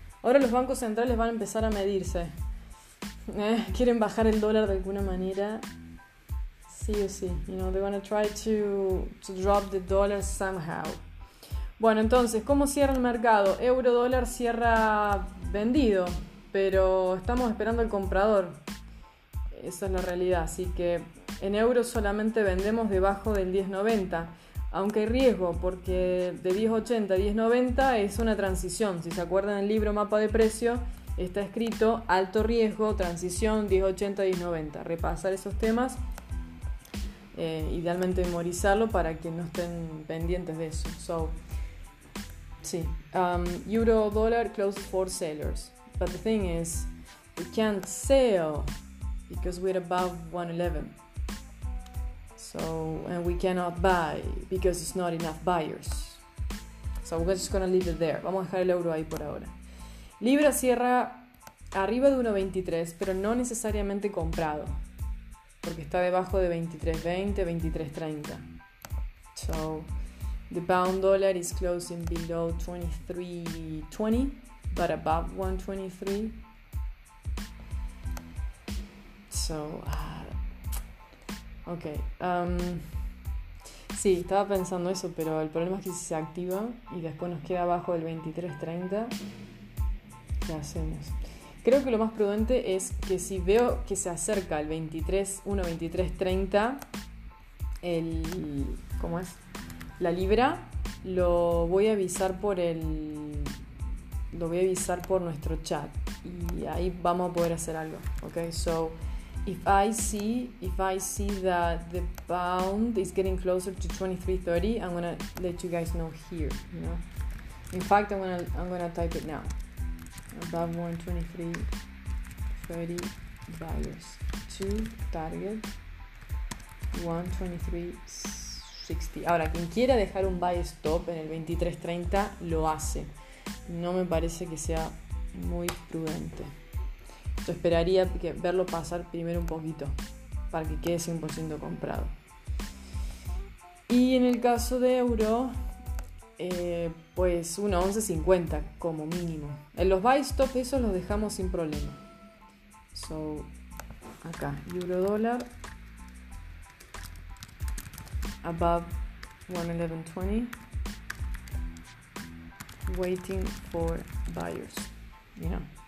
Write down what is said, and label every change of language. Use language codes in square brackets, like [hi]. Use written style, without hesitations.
[es] Ahora los bancos centrales van a empezar a medirse. Quieren bajar el dólar de alguna manera. Sí o sí. [en] You know, they're gonna try to drop the dollar somehow. [es] Bueno, entonces, ¿cómo cierra el mercado? Euro-dólar cierra vendido, pero estamos esperando al comprador. Esa es la realidad. Así que en euros solamente vendemos debajo del 10.90. Aunque hay riesgo, porque de 10.80 a 10.90 es una transición. Si se acuerdan del libro Mapa de Precio, está escrito alto riesgo, transición 10.80 a 10.90. Repasar esos temas, idealmente memorizarlo para que no estén pendientes de eso. [en] So, sí, euro dollar closed for sellers. But the thing is, we can't sell because we're above 111. So, and we cannot buy because it's not enough buyers. So we're just gonna leave it there. [es] Vamos a dejar el euro ahí por ahora. Libra cierra arriba de 1.23, pero no necesariamente comprado, porque está debajo de 23.20, 23.30. [en] So the pound dollar is closing below 23.20, but above 1.23. So, okay. [es] Sí, estaba pensando eso, pero el problema es que si se activa y después nos queda abajo del 23.30, ¿qué hacemos? Creo que lo más prudente es que si veo que se acerca el 23.1, 23.30, ¿cómo es? La libra, lo voy a avisar por lo voy a avisar por nuestro chat y ahí vamos a poder hacer algo. [en] Okay, so If I see that the pound is getting closer to 23.30, I'm gonna let you guys know here, you know. In fact, I'm gonna type it now. Above 123.30 buyers to target 123.60. [es] Ahora, quien quiera dejar un buy stop en el 23.30 lo hace. No me parece que sea muy prudente. Yo esperaría que verlo pasar primero un poquito para que quede 100% comprado. Y en el caso de euro, pues 1.1150 como mínimo. En los buy stop, esos los dejamos sin problema. [en] So, acá, euro dólar, above 1.1120, waiting for buyers, you know.